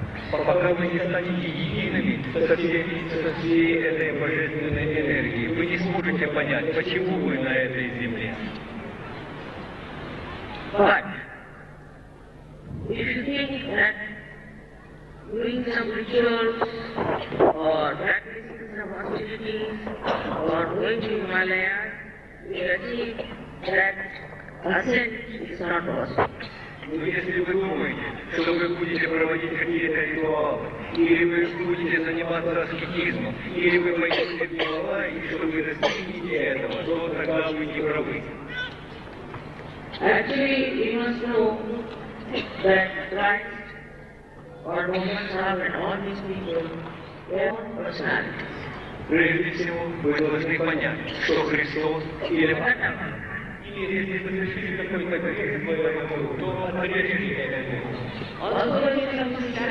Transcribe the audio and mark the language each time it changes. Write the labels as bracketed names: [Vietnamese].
[Russian] Пока вы не станете едиными со всей этой божественной энергией, вы не сможете понять, почему вы на этой земле. [English] But if you think that doing some rituals or practicing some austerities or going to Himalaya will achieve that ascent, it's not possible. [Russian] Но если вы думаете, что вы будете проводить какие-то ритуалы, или вы будете заниматься аскетизмом, или вы пойдете в Гималаи, и что вы достигнете этого, то тогда вы не правы. [English] Actually, we must know that Christ or Mohammed and all these people are personalities. [Russian] Прежде всего, вы должны понять, что Христос или Мухаммад. Или если совершили какой-то грех в этом году, то отрежьте это.